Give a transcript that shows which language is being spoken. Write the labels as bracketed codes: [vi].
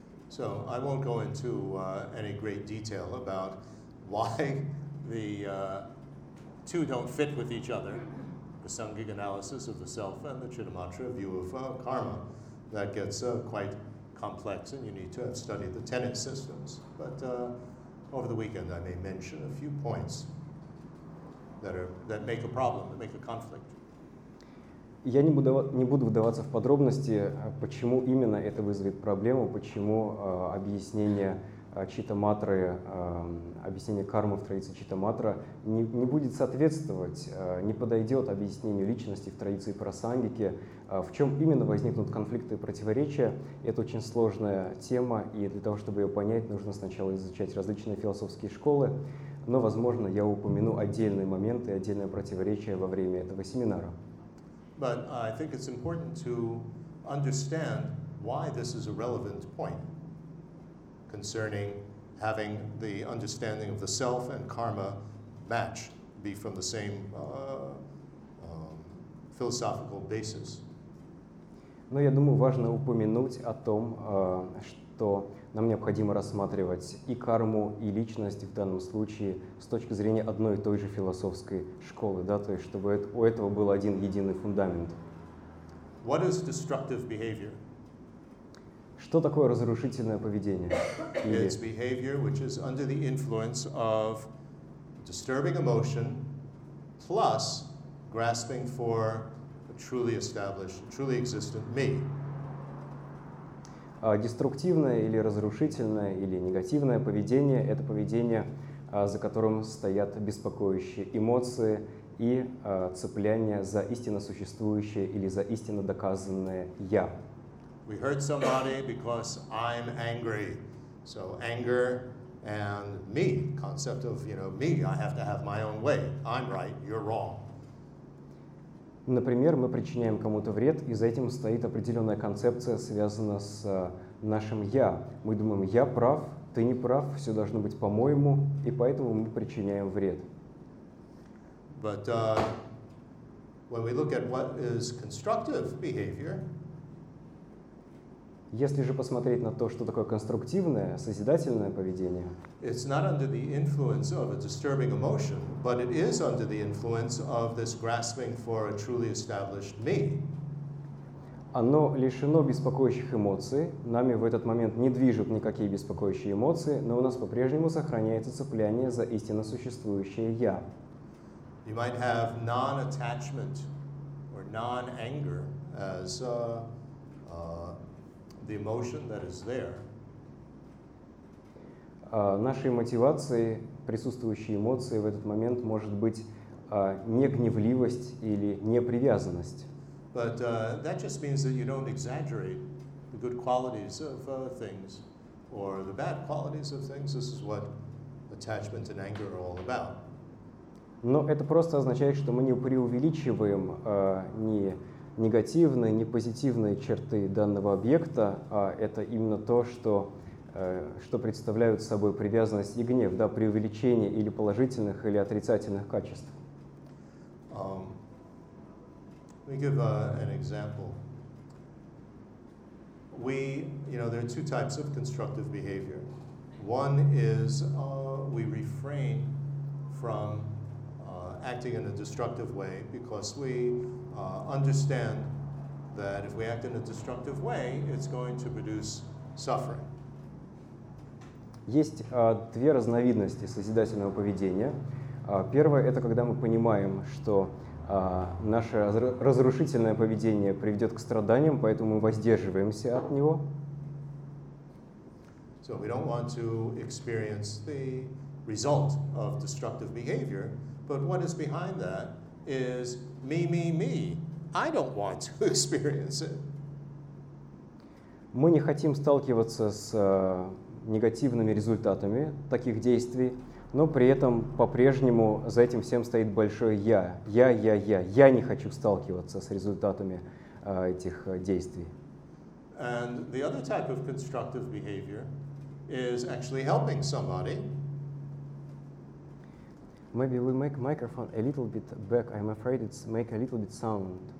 [en] So I won't go into any great detail about why the two don't fit with each other, the Prasangika analysis of the self and the Chittamatra view of karma. That gets quite complex, and you need to have studied the tenet systems. But over the weekend, I may mention a few points that make a problem, that make a conflict. [ru] Я не буду вдаваться в подробности, почему именно это вызовет проблему, почему объяснение читаматры, объяснение кармы в традиции читаматра не будет соответствовать, не подойдет объяснению личности в традиции просангики. В чем именно возникнут конфликты и противоречия, это очень сложная тема, и для того, чтобы ее понять, нужно сначала изучать различные философские школы, но, возможно, я упомяну отдельные моменты, отдельные противоречия во время этого семинара. [en] But I think it's important to understand why this is a relevant point concerning having the understanding of the self and karma match, be from the same philosophical basis. [ru] Но я думаю, важно упомянуть о том, что нам необходимо рассматривать и карму, и личность в данном случае с точки зрения одной и той же философской школы, да, то есть чтобы у этого был один единый фундамент. [en] What is destructive behavior? [ru] Что такое разрушительное поведение? [en] It's behavior which is under the influence of disturbing emotion plus grasping for a truly established, truly existent me. [ru] Деструктивное или разрушительное или негативное поведение — это поведение, за которым стоят беспокоящие эмоции и цепляние за истинно существующее или за истинно доказанное «я». [en] We hurt somebody because I'm angry. So anger and me, concept of, you know, me, I have to have my own way. I'm right, you're wrong. [ru] Например, мы причиняем кому-то вред, и за этим стоит определенная концепция, связанная с нашим «я». Мы думаем, я прав, ты не прав, все должно быть по-моему, и поэтому мы причиняем вред. [en] But when we look at what is constructive behavior, [ru] если же посмотреть на то, что такое конструктивное, созидательное поведение, [en] it's not under the influence of a disturbing emotion, but it is under the influence of this grasping for a truly established me. [ru] Оно лишено беспокоящих эмоций, нами в этот момент не движут никакие беспокоящие эмоции, но у нас по-прежнему сохраняется цепляние за истинно существующее «я». [en] You might have non-attachment or non-anger as the emotion that is there. [ru] Нашей мотивацией, присутствующей эмоции в этот момент может быть не гневливость или не привязанность. [en] But that just means that you don't exaggerate the good qualities of things or the bad qualities of things. This is what attachment and anger are all about. [ru] Но это просто означает, что мы не преувеличиваем ни негативные, ни позитивные черты данного объекта, а это именно то, что представляют собой привязанность и гнев, да, преувеличение или положительных, или отрицательных качеств. [en] Let me give an example. We, you know, there are two types of constructive behavior. One is we refrain from acting in a destructive way because we understand that if we act in a destructive way, it's going to produce suffering. [ru] Есть две разновидности созидательного поведения. Первое — это когда мы понимаем, что наше разрушительное поведение приведет к страданиям, поэтому мы воздерживаемся от него. [en] So we don't want to experience the result of destructive behavior, but what is behind that is me, me, me. I don't want to experience it. [ru] Мы не хотим сталкиваться с негативными результатами таких действий, но при этом по-прежнему за этим всем стоит большое «я». Я. Я не хочу сталкиваться с результатами этих действий. [en] And the other type of constructive behavior is actually helping somebody. Maybe we make microphone a little bit back. I'm afraid it's make a little bit sound.